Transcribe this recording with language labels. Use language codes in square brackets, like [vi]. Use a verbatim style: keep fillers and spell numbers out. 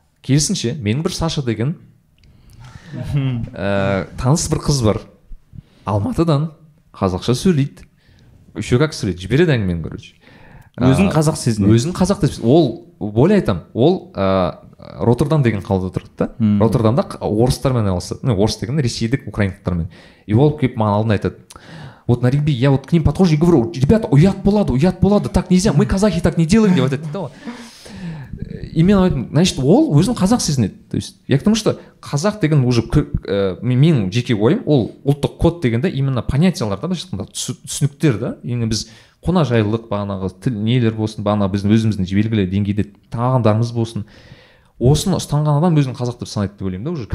[kk] Керісінше менің бір Саша деген ә, таныс бір қыз бар, Алматыдан, қазақша сөйлейді, [ru] еще как [kk] сөйлейді, жібереді әңгімені, короче. Өзін қазақ сезінеді. Өзін қазақ деп, ол, более айтам, ол Роттердам деген қалада тұрды да. Роттердамда орыстармен айналысады, ну орыс деген ресейдік украиндықтармен. И ол келіп маған алдын айтады, [ru] вот на ребят, я вот к ним подхожу и говорю, ребята, [kk] уят болады, уят болады, [ru] так нельзя, мы казахи так не делаем, [kk] деп айтады. И мен айтам, значит, ол өзін қазақ сезінеді. [ru] То есть я к тому, что [kk] қазақ деген уже ә, менің жеке ойым, ол ұлттық код дегенде именно понятияларда да, түсініктер да, яғни біз қонақжайлылық, бағанағы тіл нелер болсын, бағана біздің өзіміздің белгілі деңгейде тағамдарымыз болсын, осыны ұстанған адам өзін қазақ деп санайды деп ойлаймын да.